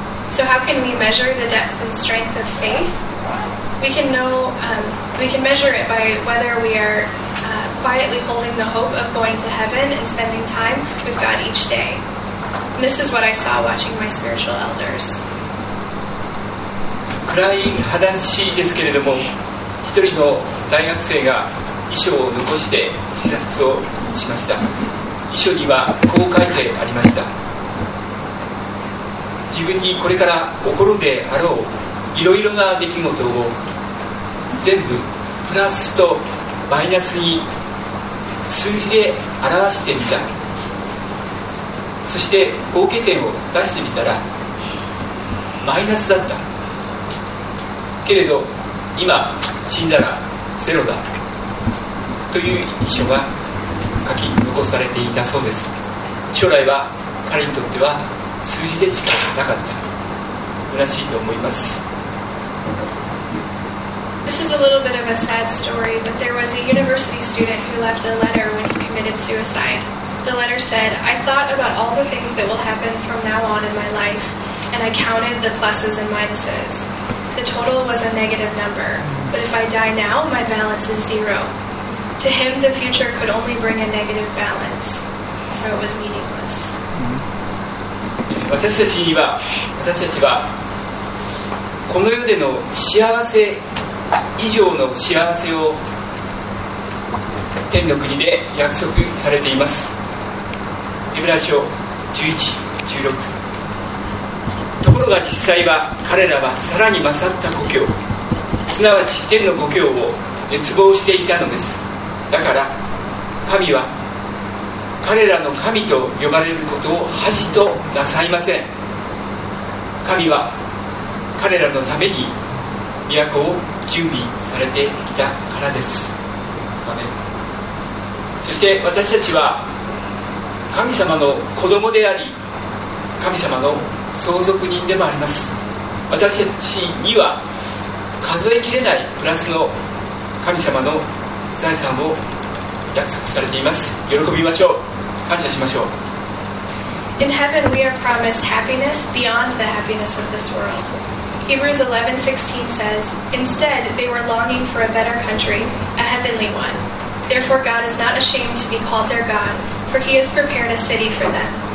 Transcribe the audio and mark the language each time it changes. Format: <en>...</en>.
<en>So how can we measure the depth and strength of faith? We can know, we can measure it by whether we are quietly holding the hope of going to heaven and spending time with God each day. And this is what I saw watching my spiritual elders.</en> <ja>暗い話ですけれども、一人の大学生が遺書を残して自殺をしました。遺書にはこう書いてありました。自分にこれから起こるであろういろいろな出来事を全部プラスとマイナスに数字で表してみた。そして合計点を出してみたらマイナスだったけれど、今死んだらゼロだという遺書が書き残されていたそうです。将来は彼にとっては数字でしかなかった。虚しいと思います。</ja> <en>This is a little bit of a sad story, but there was a university student who left a letter when he committed suicide. The letter said, I thought about all the things that will happen from now on in my life, and I counted the pluses and minuses. The total was a negative number, but if I die now, my balance is zero. To him, the future could only bring a negative balance, so it was meaningless.</en> <ja>私たちには、私たちはこの世での幸せ以上の幸せを天の国で約束されています。エブライ書11:16。ところが実際は彼らはさらに勝った故郷、すなわち天の故郷を熱望していたのです。だから神は彼らの神と呼ばれることを恥となさいません。神は彼らのために都を準備されていたからです。アメン。そして私たちは神様の子供であり、神様の相続人でもあります。私たちには数えきれないプラスの神様の財産を約束されています。喜びましょう。感謝しましょう。</ja> <en>In heaven we are promised happiness beyond the happiness of this world. Hebrews 11:16 says, Instead, they were longing for a better country, a heavenly one. Therefore God is not ashamed to be called their God, for he has prepared a city for them.</en>